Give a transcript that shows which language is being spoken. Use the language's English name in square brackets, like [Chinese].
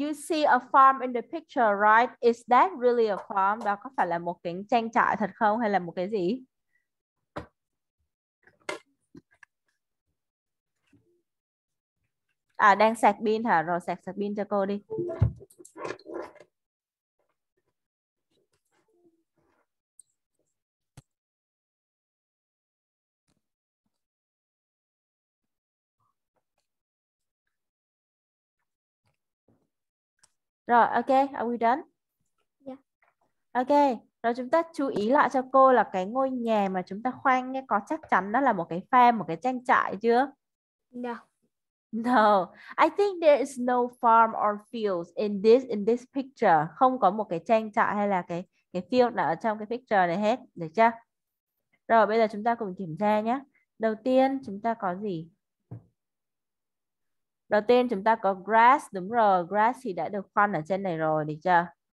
[English] You see a farm in the picture, right? Is that really a farm? [Vietnamese] Đó có phải là một cái trang trại thật không hay là một cái gì? À, đang sạc pin hả? Rồi sạc pin cho cô đi. Rồi, [English] ok, are we done? Yeah. [Vietnamese] Ok, rồi chúng ta chú ý lại cho cô là cái ngôi nhà mà chúng ta khoan nghe có chắc chắn đó là một cái farm, một cái trang trại chưa? [English] No. No, I think there is no farm or fields in this picture. [Vietnamese] Không có một cái trang trại hay là cái field nào ở trong cái picture này hết, được chưa? Rồi, bây giờ chúng ta cùng kiểm tra nhé. Đầu tiên, chúng ta có gì? Đầu tiên chúng ta có grass, đúng rồi, grass thì đã được khoan ở trên này rồi, được chưa?